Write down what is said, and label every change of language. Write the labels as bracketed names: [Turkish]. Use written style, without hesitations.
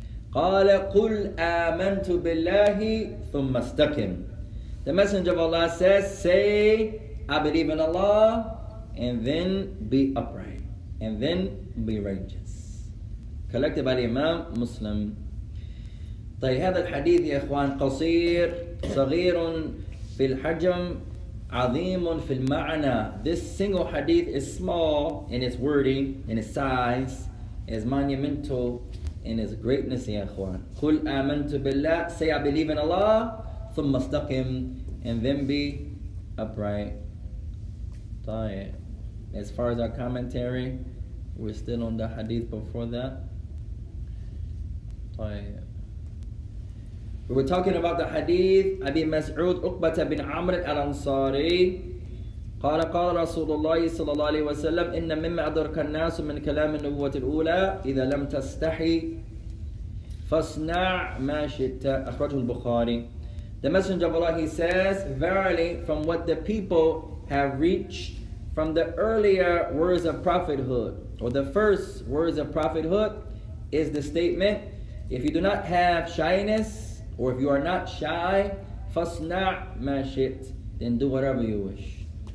[Arabic] Qala qul amantu billahi thumma istaqim. [English] The Messenger of Allah says, say, I believe in Allah, and then be upright, and then be righteous. Collected by the Imam Muslim. [Arabic] طيب هذا الحديث يا إخوان قصير صغير في الحجم عظيم في المعنى. [English] This single hadith is small in its wording, in its size, is monumental in its greatness, [Arabic] ya ikhwan. قل آمنت بالله, [English] say I believe in Allah, [Arabic] ثم استقم, [English] and then be upright. [Arabic] طيب. [English] As far as our commentary, we're still on the hadith before that. [Arabic] طيب. [English] We were talking about the hadith, أبي مسعود عقبة بن عمرو الأنصاري. [Arabic] قال قال رسول الله صلى الله عليه وسلم إن مما أدرك الناس من كلام النبوة الأولى إذا لم تستحي ف Fasna' ma shi'ta akhrajahu al-Bukhari. [English] The Messenger of Allah, he says, verily, from what the people have reached from the earlier words of prophethood, or the first words of prophethood, is the statement, if you do not have shyness, or if you are not shy, [Arabic] fasna' ma shi't, [English] then do whatever you wish.